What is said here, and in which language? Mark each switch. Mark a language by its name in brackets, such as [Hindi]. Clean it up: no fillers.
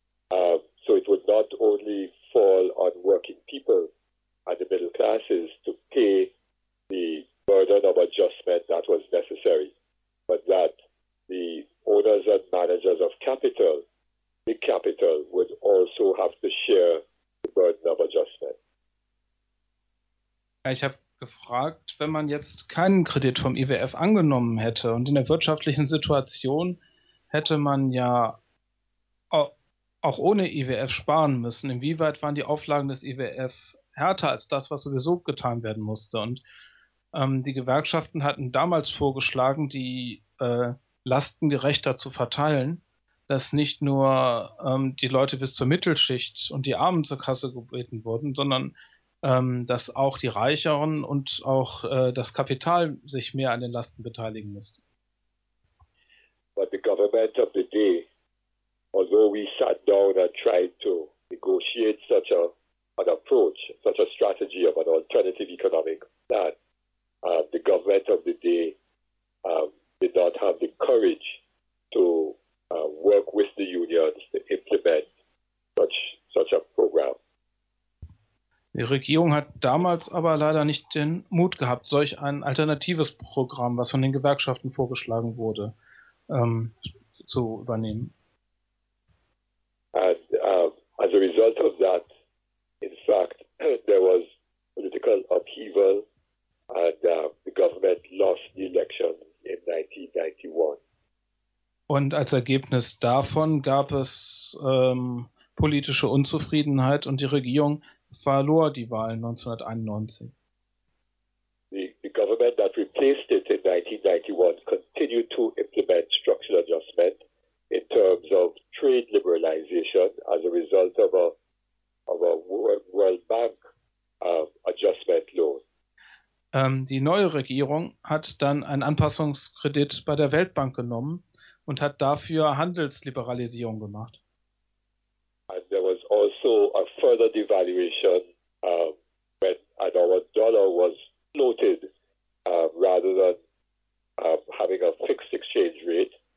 [English] So it would not only fall on working people and the middle classes to pay the burden of adjustment that was necessary, but that the owners and managers of capital, big capital, would also have to share the burden of adjustment. [German] Ich habe gefragt, wenn man jetzt keinen Kredit vom IWF angenommen hätte und in der wirtschaftlichen Situation hätte man ja auch ohne IWF sparen müssen. Inwieweit waren die Auflagen des IWF härter als das, was sowieso getan werden musste? Und die Gewerkschaften hatten damals vorgeschlagen, die Lasten gerechter zu verteilen, dass nicht nur die Leute bis zur Mittelschicht und die Armen zur Kasse gebeten wurden, sondern dass auch die Reicheren und auch das Kapital sich mehr an den Lasten beteiligen müssten. [English] But the government of the day, although we sat down and tried to negotiate such an approach, such a strategy of an alternative economic plan, the government of the day did not have the courage to work with the unions to implement such a program. [German] Die Regierung hat damals aber leider nicht den Mut gehabt, solch ein alternatives Programm, was von den Gewerkschaften vorgeschlagen wurde, zu übernehmen. [English] And as a result of that, in fact, there was political upheaval and the government lost the election in 1991. [German] Und als Ergebnis davon gab es politische Unzufriedenheit und die Regierung verlor die Wahl 1991. [English] The government that replaced it in 1991 continued to implement structural adjustment in terms of trade liberalization as a result of a World Bank adjustment loan. [German] Die neue Regierung hat dann einen Anpassungskredit bei der Weltbank genommen und hat dafür Handelsliberalisierung gemacht. [English] And there was also a further devaluation when our dollar was floated rather than having a fixed exchange rate.